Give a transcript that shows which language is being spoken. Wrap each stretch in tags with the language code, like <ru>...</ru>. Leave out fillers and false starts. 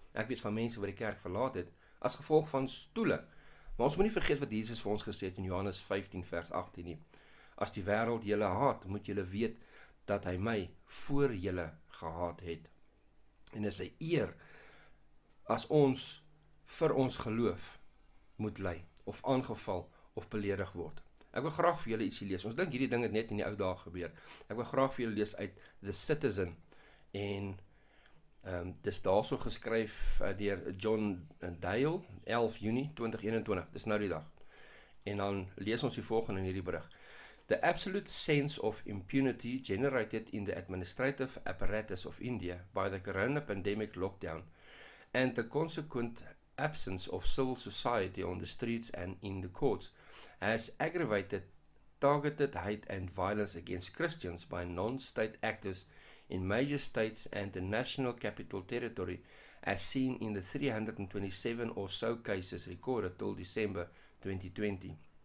<af>Ek weet van mense wat die kerk verlaat het as gevolg van stoele. Maar ons moet nie vergeet wat Jesus vir ons gesê het in Johannes 15 vers 18 nie. As die wêreld julle haat, moet julle weet dat hy my voor julle gehaat het. En is hy eer as ons vir ons geloof moet ly of aangeval of beledig word. Ek wil graag vir julle ietsie lees. Ons dink hierdie ding het net in die ou dae gebeur. Ek wil graag vir julle lees uit The Citizen, en dis daarso geskryf deur John Dale, 11 Junie 2021. Dis nou die dag. En dan lees ons die volgende in hierdie berig.</af> <en>The absolute sense of impunity generated in the administrative apparatus of India by the corona pandemic lockdown and the consequent absence of civil society on the streets and in the courts has aggravated targeted hate and violence against Christians by non-state actors in major states and the national capital territory, as seen in the 327 or so cases recorded till December 2020.</en>